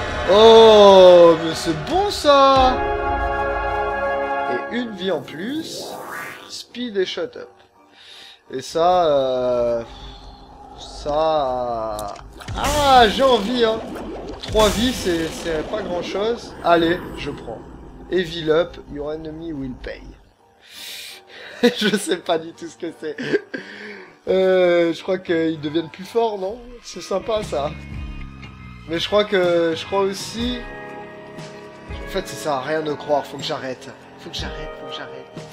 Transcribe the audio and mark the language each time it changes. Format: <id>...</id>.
<fr>Oh, mais c'est bon, ça. Et une vie en plus.</fr> <en>Speed</en> <fr>et</fr> <en>shut up.</en> <fr>Et ça, ça... Ah, j'ai envie, hein. Trois vies, c'est pas grand-chose. Allez, je prends.</fr> <en>Evil up, your enemy will pay.</en> <fr>Je sais pas du tout ce que c'est. Je crois qu'ils deviennent plus forts, non? C'est sympa, ça. Mais je crois que... Je crois aussi... En fait, c'est ça, rien de croire, faut que j'arrête. Faut que j'arrête, faut que j'arrête.</fr>